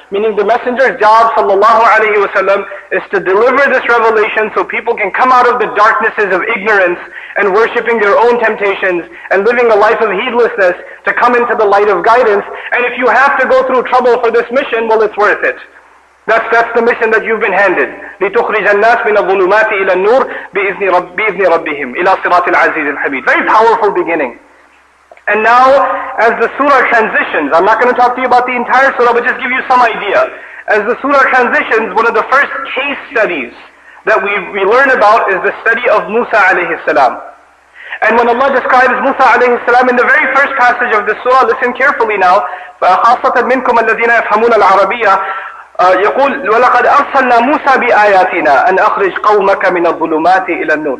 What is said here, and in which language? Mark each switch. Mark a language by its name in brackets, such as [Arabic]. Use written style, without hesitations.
[English] Meaning the Messenger's job, sallallahu alayhi wa sallam, is to deliver this revelation so people can come out of the darknesses of ignorance and worshipping their own temptations and living a life of heedlessness to come into the light of guidance. And if you have to go through trouble for this mission, well, it's worth it. That's the mission that you've been handed. [Arabic] لِتُخْرِجَ النَّاسِ مِنَ الظُّلُمَاتِ إِلَى النُّورِ بِإِذْنِ رَبِّهِمْ إِلَى صِرَاطِ الْعَزِيزِ الْحَمِيدِ [English] Very powerful beginning. And now, as the surah transitions, I'm not going to talk to you about the entire surah, but just give you some idea. As the surah transitions, one of the first case studies that we learn about is the study of Musa alayhi salam. And when Allah describes Musa alayhi salam in the very first passage of the surah, listen carefully now, [Arabic] فَخَاصَّةً مِنْكُمَ الَّذِينَ يَفْهَمُونَ الْعَرَبِيَّةِ يقول ولقد أرسلنا موسى بآياتنا أن أخرج قومك من الظلمات إلى النور.